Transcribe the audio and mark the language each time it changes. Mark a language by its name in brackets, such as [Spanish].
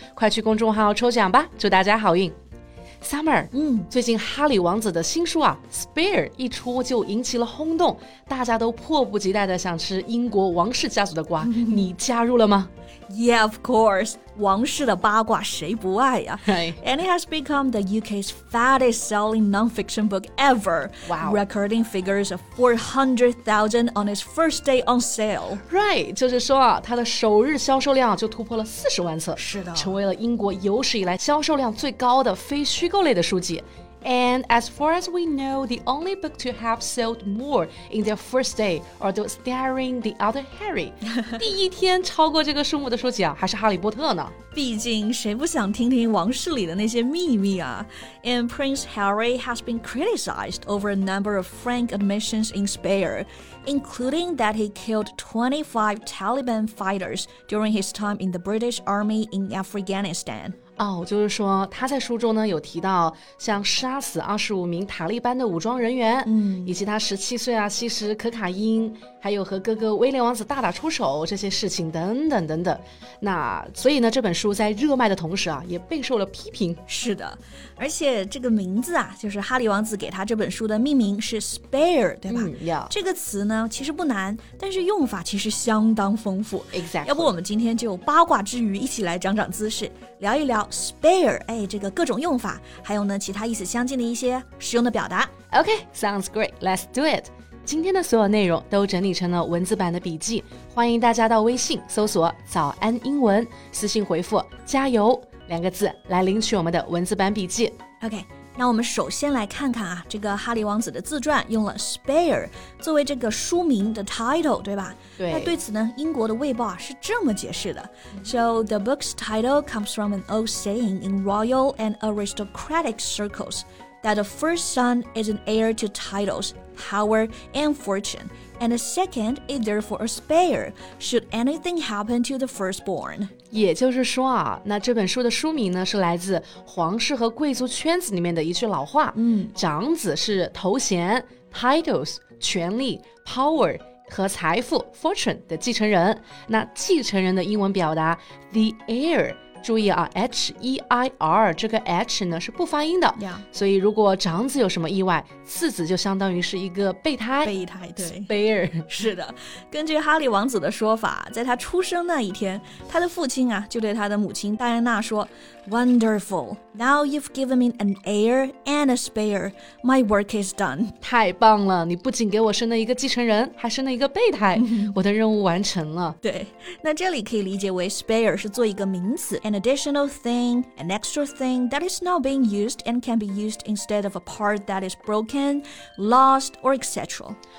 [Chinese] 快去公众号抽奖吧，祝大家好运。Summer, 最近哈里王子的新书啊 Spare 一出就引起了轰动，大家都迫不及待地想吃英国王室家族的瓜，你加入了吗？ [English] Yeah, of course, [Chinese] 王室的八卦谁不爱呀、啊 [English] hey. And it has become the UK's fattest selling non-fiction book ever. Wow. Recording figures of 400,000 on its first day on sale. [Chinese] Right, 就是说啊，它的首日销售量就突破了40万册，是的，成为了英国有史以来销售量最高的非虚构类的书籍。 [English] And as far as we know, the only book to have sold more in their first day are those starring the other Harry. [Chinese] 第一天超过这个数目的书籍啊，还是哈利波特呢。毕竟谁不想听听王室里的那些秘密啊。 [English] And Prince Harry has been criticized over a number of frank admissions in Spare, including that he killed 25 Taliban fighters during his time in the British Army in Afghanistan. [Chinese] 哦、oh, 就是说他在书中呢有提到像杀死25名塔利班的武装人员、以及他17岁啊吸食可卡因，还有和哥哥威廉王子大打出手这些事情等等等等。那所以呢这本书在热卖的同时啊也备受了批评。是的，而且这个名字啊，就是哈利王子给他这本书的命名是 Spare 对吧、这个词呢其实不难，但是用法其实相当丰富。 [English] Exactly. [Chinese] 要不我们今天就八卦之余一起来长长姿势，聊一聊Spare, 哎，这个各种用法，还有呢其他意思相近的一些实用的表达。 [English] OK, sounds great, let's do it. [Chinese] 今天的所有内容都整理成了文字版的笔记，欢迎大家到微信搜索早安英文，私信回复加油两个字来领取我们的文字版笔记。 OK, 那我们首先来看看啊，这个哈利王子的自传用了 Spare 作为这个书名的 title, 对吧？对，那对此呢英国的卫报、是这么解释的。 [English] So the book's title comes from an old saying in royal and aristocratic circles that the first son is an heir to titles, power and fortune, and the second is therefore a spare should anything happen to the firstborn. [Chinese] 也就是说啊，那这本书的书名呢是来自皇室和贵族圈子里面的一句老话。长子是头衔 titles, 权力 power,和财富 fortune 的继承人。那继承人的英文表达 the heir, 注意啊 H-E-I-R 这个 H 呢是不发音的、所以如果长子有什么意外，次子就相当于是一个备胎。备胎，对， [English] spare。 [Chinese] 是的，根据哈利王子的说法，在他出生那一天，他的父亲啊就对他的母亲戴安娜说 [English] Wonderful, now you've given me an heir and a spare, my work is done. [Chinese] 太棒了，你不仅给我生了一个继承人，还生了一个备胎，我的任务完成了。对，那这里可以理解为 [English] spare [Chinese] 是做一个名词， [English] an additional thing, an extra thing that is not being used and can be used instead of a part that is brokenlost, or etc.